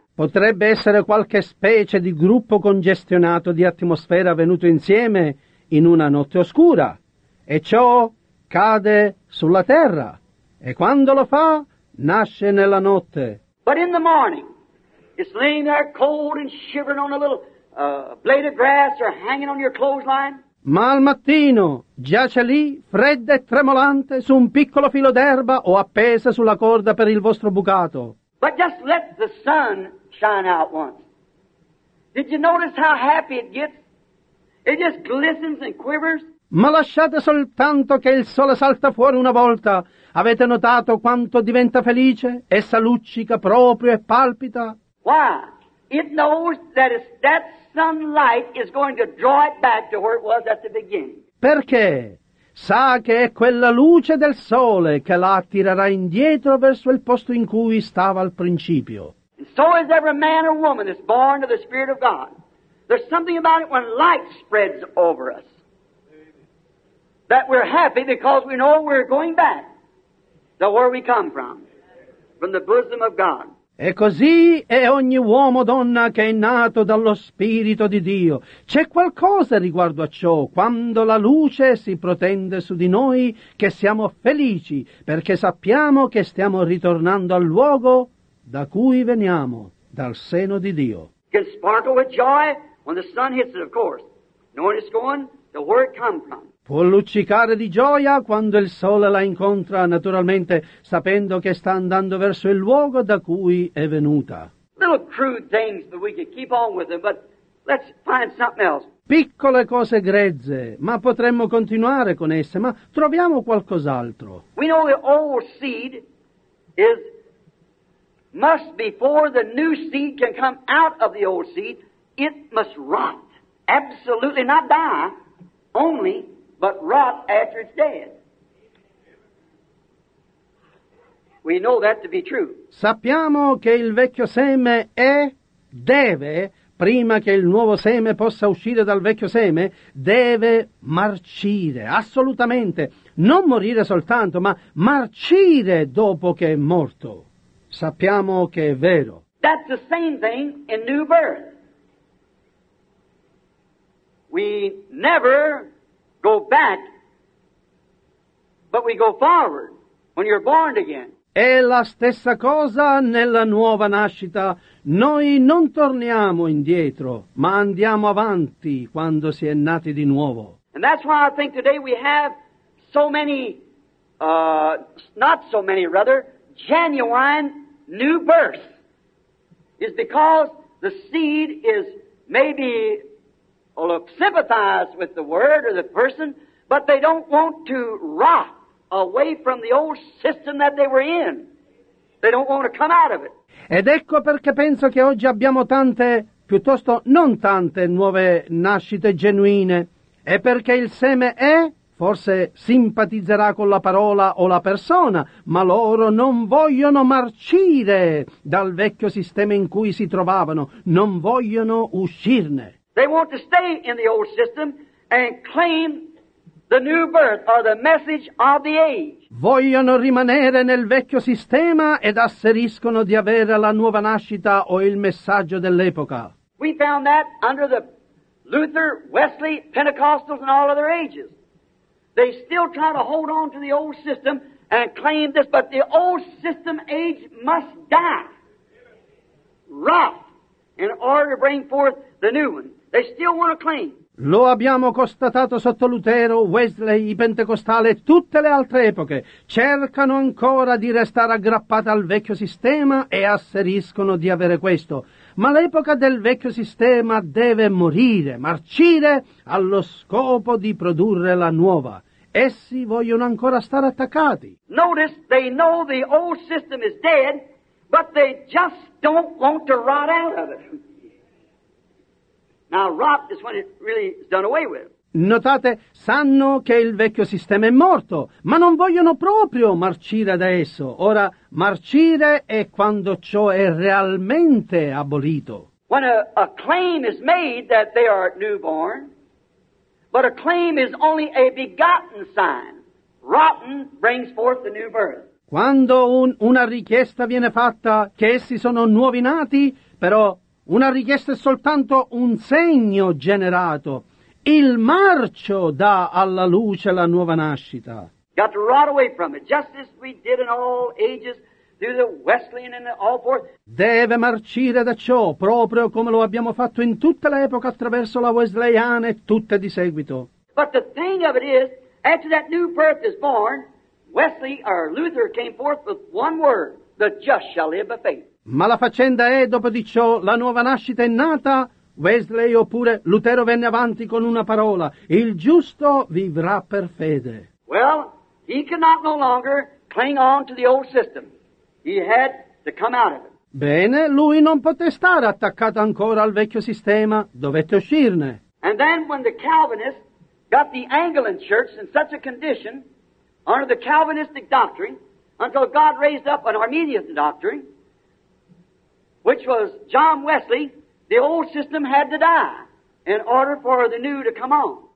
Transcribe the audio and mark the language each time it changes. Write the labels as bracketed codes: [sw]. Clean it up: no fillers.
[it] Potrebbe essere qualche specie di gruppo congestionato di atmosfera venuto insieme in una notte oscura, e ciò cade sulla terra, e quando lo fa, nasce nella notte. [en] But in the morning, it's laying there cold and shivering on a little blade of grass or hanging on your clothesline. [it] Ma al mattino, giace lì, fredda e tremolante, su un piccolo filo d'erba o appesa sulla corda per il vostro bucato. [en] But just let the sun shine out once. Did you notice how happy it gets? It just glistens and quivers. [it] Ma lasciate soltanto che il sole salta fuori una volta. Avete notato quanto diventa felice? Essa luccica proprio e palpita. [en] Why? It knows that it's that sunlight is going to draw it back to where it was at the beginning. [it] Perché? Sa che è quella luce del sole che la attirerà indietro verso il posto in cui stava al principio. [en] And so is every man or woman that's born to the Spirit of God. There's something about it when light spreads over us. That we're happy because we know we're going back to where we come from the bosom of God. [it] E così è ogni uomo o donna che è nato dallo Spirito di Dio. C'è qualcosa riguardo a ciò, quando la luce si protende su di noi, che siamo felici, perché sappiamo che stiamo ritornando al luogo da cui veniamo, dal seno di Dio. [en] Can sparkle with joy. When the sun hits it, of course, knowing it's going to where it comes from. [it] Può luccicare di gioia quando il sole la incontra, naturalmente sapendo che sta andando verso il luogo da cui è venuta. [en] Little crude things that we could keep on with them, but let's find something else. [it] Piccole cose grezze, ma potremmo continuare con esse, ma troviamo qualcos'altro. [en] We know the old seed is must before the new seed can come out of the old seed. It must rot, absolutely not die, only, but rot after it's dead. We know that to be true. [it] Sappiamo che il vecchio seme è, deve, prima che il nuovo seme possa uscire dal vecchio seme, deve marcire, assolutamente. Non morire soltanto, ma marcire dopo che è morto. Sappiamo che è vero. [en] That's the same thing in new birth. We never go back, but we go forward when you're born again. [it] È la stessa cosa nella nuova nascita. Noi non torniamo indietro, ma andiamo avanti quando si è nati di nuovo. [en] And that's why I think today we have so many, not so many rather, genuine new births. Is because the seed is maybe... or sympathize with the word or the person, but they don't want to rot away from the old system that they were in. They don't want to come out of it. [it] Ed ecco perché penso che oggi abbiamo tante, piuttosto non tante, nuove nascite genuine. È perché il seme è, forse simpatizzerà con la parola o la persona, ma loro non vogliono marcire dal vecchio sistema in cui si trovavano, non vogliono uscirne. [en] They want to stay in the old system and claim the new birth or the message of the age. [it] Vogliono rimanere nel vecchio sistema ed asseriscono di avere la nuova nascita o il messaggio dell'epoca. [en] We found that under the Luther, Wesley, Pentecostals and all other ages. They still try to hold on to the old system and claim this, but the old system age must die. Rot. In order to bring forth the new one. They still want to claim. [it] Lo abbiamo constatato sotto Lutero, Wesley, i pentecostali e tutte le altre epoche. Cercano ancora di restare aggrappate al vecchio sistema e asseriscono di avere questo. Ma l'epoca del vecchio sistema deve morire, marcire allo scopo di produrre la nuova. Essi vogliono ancora stare attaccati. [en] Notice they know the old system is dead, but they just don't want to rot out of it. Now rot is when it really is done away with. [it] Notate, sanno che il vecchio sistema è morto, ma non vogliono proprio marcire da esso. Ora, marcire è quando ciò è realmente abolito. [en] When a claim is made that they are newborn, but a claim is only a begotten sign. Rotten brings forth the new birth. [it] Quando una richiesta viene fatta che essi sono nuovi nati, però una richiesta è soltanto un segno generato. Il marcio dà alla luce la nuova nascita. [en] Got to rot away from it, just as we did in all ages through the Wesleyan and all forth. [it] Deve marcire da ciò, proprio come lo abbiamo fatto in tutta l'epoca attraverso la Wesleyana e tutte di seguito. [en] But the thing of it is, after that new birth is born, Wesley or Luther came forth with one word, the just shall live by faith. [it] Ma la faccenda è, dopo di ciò, la nuova nascita è nata, Wesley oppure Lutero venne avanti con una parola, il giusto vivrà per fede. [en] Well, he cannot no longer cling on to the old system. He had to come out of it. [it] Bene, lui non poté stare attaccato ancora al vecchio sistema, dovette uscirne. [en] And then when the Calvinists got the Anglican Church in such a condition, under the Calvinistic doctrine, until God raised up an Arminian doctrine, which was John Wesley, the old system had to die in order for the new to come on.